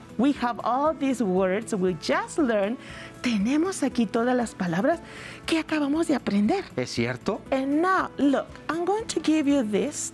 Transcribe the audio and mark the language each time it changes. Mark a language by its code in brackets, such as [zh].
[en] We have all these words we just learned. [es] Tenemos aquí todas las palabras que acabamos de aprender. ¿Es cierto? [en] And now, look, I'm going to give you this.